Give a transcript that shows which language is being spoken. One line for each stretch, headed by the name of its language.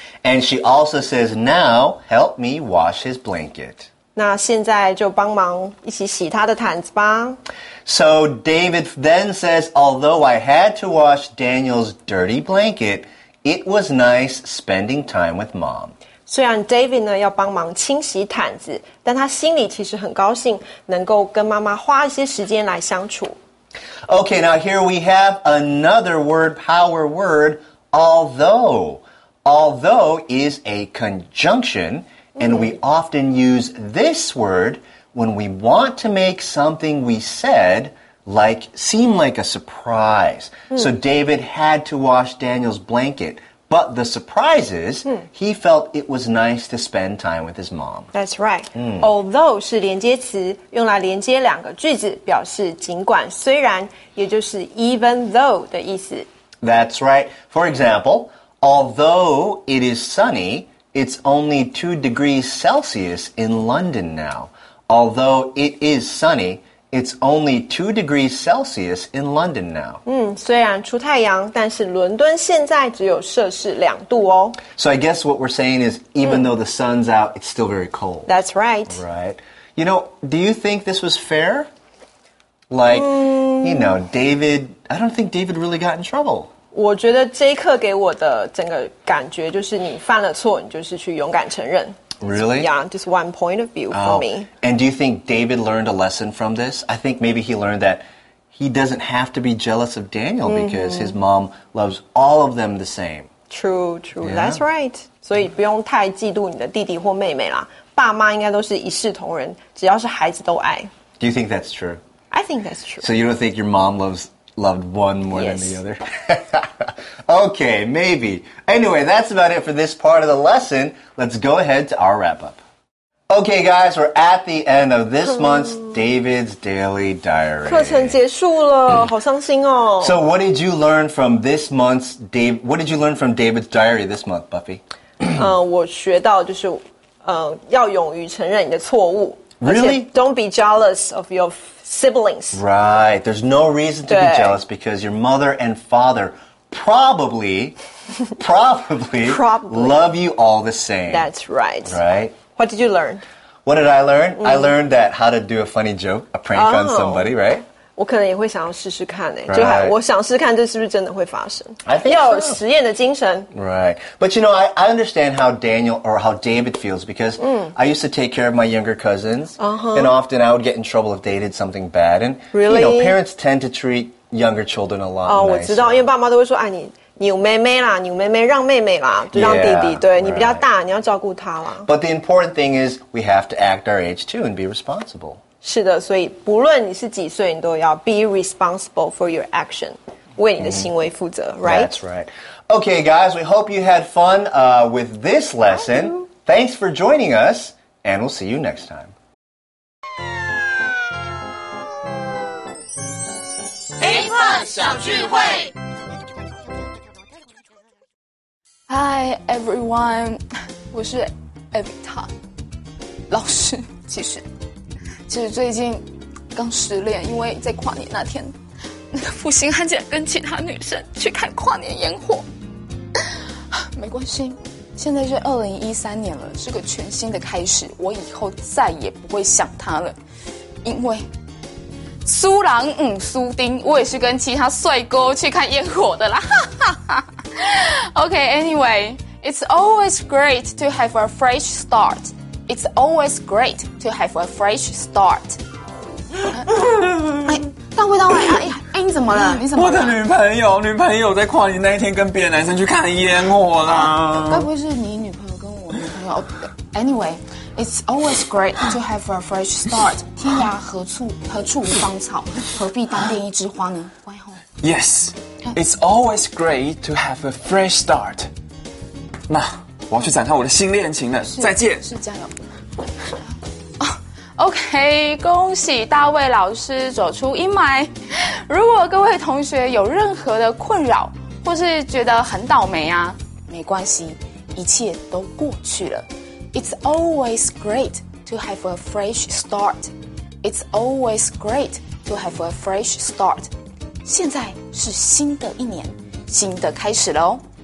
English: And she also says, now help me wash his blanket.
Chinese: 那现在就帮忙一起洗他的毯子吧。
English: So David then says, although I had to wash Daniel's dirty blanket, it was nice spending time with mom.
Chinese: 虽然 David 呢要帮忙清洗毯子但他心里其实很高兴能够跟妈妈花一些时间来相处。
English: Okay, now here we have another word, power word, although. Although is a conjunction, and we often use this word when we want to make something we said like, seem like a surprise. So David had to wash Daniel's blanket, But the surprise is, he felt it was nice to spend time with his mom.
Chinese: That's right. Although 是连接词，用来连接两个句子，表示尽管、虽然，也就是 even though 的意思。
English: That's right. For example, although it is sunny, it's only 2 degrees Celsius in London now. Although it is sunny, it's only 2 degrees Celsius in London now.
Chinese: 虽然出太阳，但是伦敦现在只有摄氏两度哦。
English: So I guess what we're saying is, even though the sun's out, it's still very cold. That's right. Right. You know, do you think this was fair? Like, you know, David, I don't think David really got in trouble.
Chinese: 我觉得这一课给我的整个感觉就是你犯了错，你就是去勇敢承认。
English: Really? Yeah, just one point of view for me. And do you think David learned a lesson from this? I think maybe he learned that he doesn't have to be jealous of Daniel because his mom loves all of them the same. True, true,、yeah? that's right.
Chinese: 所以不用太嫉妒你的弟弟或妹妹啦，爸妈应该都是一视同仁，只要是孩子都爱。
English: Do you think that's true? I think that's true. So you don't think your mom loved one more、 yes. than the other? Okay, maybe. Anyway, that's about it for this part of the lesson. Let's go ahead to our wrap-up. Okay, guys, we're at the end of this month's David's Daily Diary.
Chinese: 课程结束了、好伤心哦。
English: So what did you learn from this month's what did you learn from David's Diary this month, Buffy?
Chinese: 我学到就是要勇于承认你的错误。
English: Really? Don't be jealous of your siblings. Right. There's no reason to be jealous because your mother and father probably love you all the same. That's right. Right. What did you learn? What did I learn? I learned that how to do a funny joke, a prank on somebody, right?
Chinese: 我可能也会想要试试看、欸 right. 就我想试试看这是不是真的会发生。
English: I think
Chinese: 要有实验的精神。
English: Right. But you know, I understand how Daniel or how David feels because I used to take care of my younger cousins. Uh-huh. And often I would get in trouble if they did something bad. And, really? You know, parents tend to treat younger children a lot nicer. Oh,
Chinese: 我知道，因为爸妈都会说，哎，你有妹妹啦，你有妹妹，让妹妹啦，就让弟弟。
English: Yeah,
Chinese: 对、
English: right.
Chinese: 你比较大，你要照顾她啦。
English: But the important thing is we have to act our age too and be responsible.
Chinese: 是的，所以不论你是几岁，你都要 be responsible for your action，为你的行为负责、right?
English: That's right. Okay, guys, we hope you had fun with this lesson. Thanks for joining us, and we'll see you next time.
Chinese: Hi, everyone. 我是 Evita 老师，其实。其实最近刚失恋，因为在跨年那天，那个负心汉竟然跟其他女生去看跨年烟火。没关系，现在是2013年了，是个全新的开始，我以后再也不会想他了，因为苏朗姆苏丁，我也是跟其他帅哥去看烟火的啦。
English: Okay, anyway, it's always great to have a fresh start. It's always great to have a fresh start.
Chinese: 大卫，你怎么了？我的女朋友在跨年那一天跟别的男生去看烟火啦。
English: 该不会是你女朋友跟我女朋友？Anyway, it's always great to have a fresh start.
Chinese: 天涯何处无芳草，何必单恋一枝花呢？乖吼。
English: Yes, it's always great to have a fresh start.
Chinese: 妈。我要去展开我的新恋情了，再见。是加油。 OK， 恭喜大卫老师走出阴霾。如果各位同学有任何的困扰，或是觉得很倒霉啊，没关系，一切都过去了。
English: It's always great to have a fresh start. It's always great to have a fresh start.
Chinese: 现在是新的一年，新的开始了哦。